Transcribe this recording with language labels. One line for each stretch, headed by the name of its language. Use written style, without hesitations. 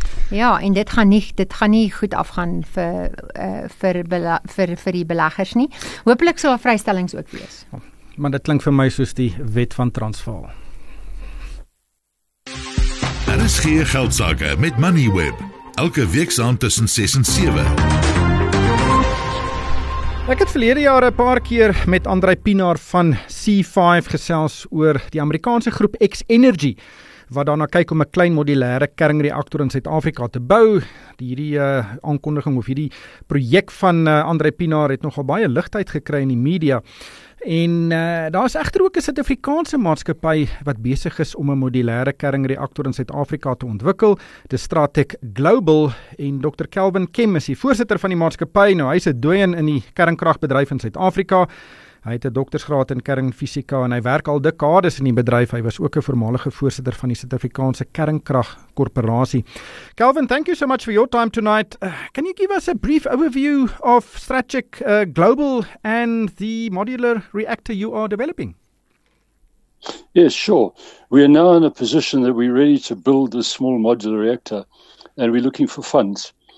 Afrikaans: Ja, en dit gaan nie goed afgaan vir die beleggers nie. Hopelik sal vrystellings ook wees. Maar dit klink vir my soos die wet van Transvaal. Daar is geen geldsaake met Moneyweb. Elke week saam tussen 6 en 7. Ek het verlede jare 'n paar keer met André Pienaar van C5 gesels oor die Amerikaanse groep X Energy, wat daarna kyk om 'n klein modulaire kernreaktor in Suid-Afrika te bou. Hierdie aankondiging of hierdie projek van André Pienaar het nogal baie ligtheid gekry in die media. En daar is echter ook een Suid-Afrikaanse maatskapie wat besig is om 'n modulaire kernreaktor in Suid-Afrika te ontwikkel. Dis Stratec Global en Dr. Kelvin Kem is die voorsitter van die maatskapie. Nou, hy is 'n doyen in die kernkragbedryf in Suid-Afrika. Hy het 'n doktersgraad in kernfysika en hy werk al dekades in die bedryf. Hy was ook 'n voormalige voorsitter van die Suid-Afrikaanse Kernkragkorporasie.
English: Kelvin, thank you so much for your time tonight. Can you give us a brief overview of Stratec Global and the modular reactor you are developing? Yes, sure. We are now in a position that we're ready to build this small modular reactor and we're looking for funds.